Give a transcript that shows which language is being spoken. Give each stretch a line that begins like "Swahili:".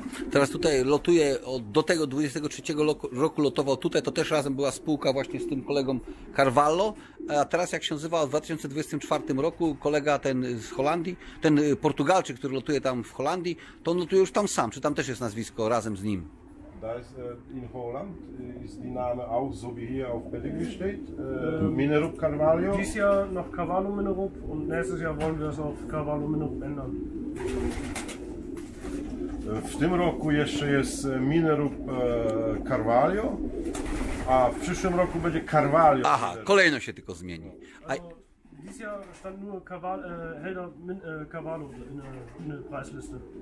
Polish: Teraz tutaj lotuje, do tego 23 roku lotował tutaj, to też razem była spółka właśnie z tym kolegą Carvalho, a teraz jak się nazywa, w 2024 roku kolega ten z Holandii, ten Portugalczyk, który lotuje tam w Holandii, to on lotuje już tam sam, czy tam też jest nazwisko razem z nim?
German: Da ist in Holland ist die Name auch so wie hier auf Pedigree steht. Minerup Carvalho. Dieses Jahr noch Carvalho Minerup und nächstes Jahr wollen wir das auf Carvalho Minerup ändern.
Polish: W tym roku jeszcze jest Minerup Carvalho, a w przyszłym roku będzie Carvalho. Aha, kolejno się tylko zmieni.
German: Dieses Jahr stand nur Helder Carvalho in der Preisliste.